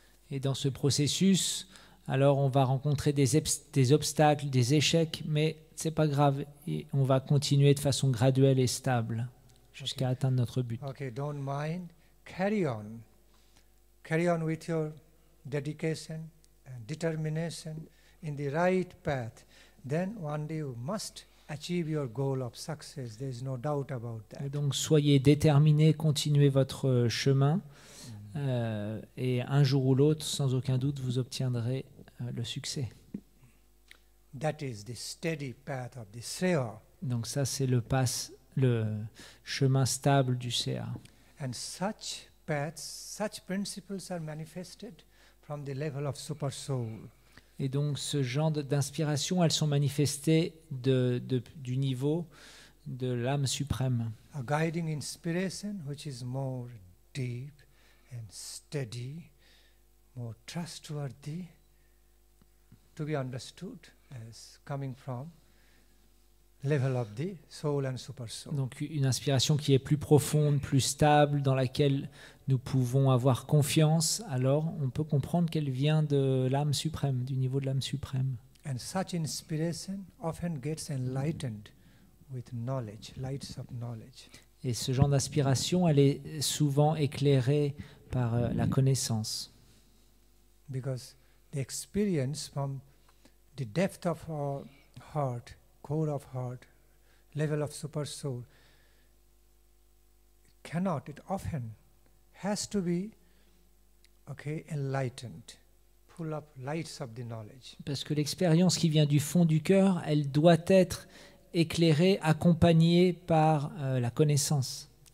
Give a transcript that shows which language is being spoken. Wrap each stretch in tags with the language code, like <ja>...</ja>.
<fr>Et dans ce processus, alors on va rencontrer des obstacles, des échecs, mais c'est pas grave, et on va continuer de façon graduelle et stable jusqu'à atteindre notre but.</fr> <en>Okay, don't mind. Carry on. Carry on with your dedication and determination in the right path. Then one day you must achieve your goal of success. There is no doubt about that.</en> <fr>Et donc soyez déterminés, continuez votre chemin, et un jour ou l'autre, sans aucun doute, vous obtiendrez le succès.</fr> <en>That is the steady path of the Seha.</en> <fr>Donc ça, c'est le chemin stable du Seha.</fr> <en>And such paths, such principles are manifested from the level of super soul.</en> <fr>Et donc, ce genre d'inspiration, elles sont manifestées du niveau de l'âme suprême.</fr> <en>A guiding inspiration, which is more deep and steady, more trustworthy, to be understood as coming from level of the soul and super soul.</en> <fr>Donc, une inspiration qui est plus profonde, plus stable, dans laquelle nous pouvons avoir confiance, alors on peut comprendre qu'elle vient de l'âme suprême, du niveau de l'âme suprême.</fr> <en>And such inspiration often gets enlightened with knowledge, lights of knowledge.</en> <fr>Et ce genre d'inspiration, elle est souvent éclairée par la connaissance.</fr> <en>Because the experience from the depth of our heart, core of heart, level of super soul, cannot, it often has to be, okay, enlightened, full of lights of the knowledge.</en> <fr>Parce que l'expérience qui vient du fond du cœur, elle doit être éclairée, accompagnée par la connaissance.</fr>